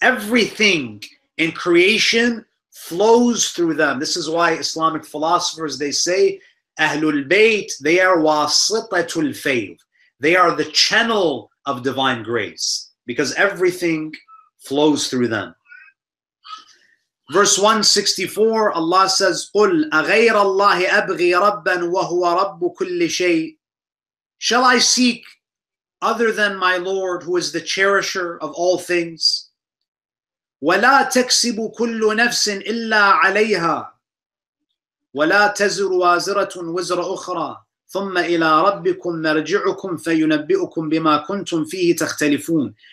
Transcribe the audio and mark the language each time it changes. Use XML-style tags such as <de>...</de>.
<en>Everything in creation flows through them. This is why Islamic philosophers, they say, Ahlul Bayt, they are wasitatul fayl. They are the channel of divine grace because everything flows through them. Verse 164, Allah says,</en> <ar>قُلْ أَغَيْرَ اللَّهِ أَبْغِي رَبًّا وَهُوَ رَبُّ كُلِّ شَيْءٍ.</ar> <en>Shall I seek other than my Lord who is the cherisher of all things?</en> <ar>وَلَا تَكْسِبُ كُلُّ نَفْسٍ إِلَّا عَلَيْهَا وَلَا تَزِرُ وَازِرَةٌ وِزْرَ أُخْرَى ثُمَّ إِلَىٰ رَبِّكُمْ مَرْجِعُكُمْ فَيُنَبِّئُكُمْ بِمَا كُنْتُمْ فِيهِ تَخْتَلِفُونَ.</ar>